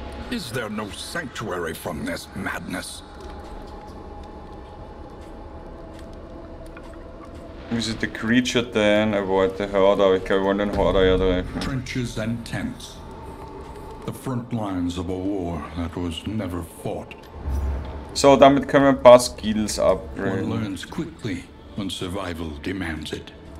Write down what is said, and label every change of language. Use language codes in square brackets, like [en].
[en] Is there no sanctuary from this madness? Visit the creature then, avoid the Horde. I think I want the Horde [de] ja treffen. [en] Trenches and tents. The front lines of a war that was never fought. [de] So, damit können wir ein paar Skills upgraden. [en] One learns quickly when survival demands it.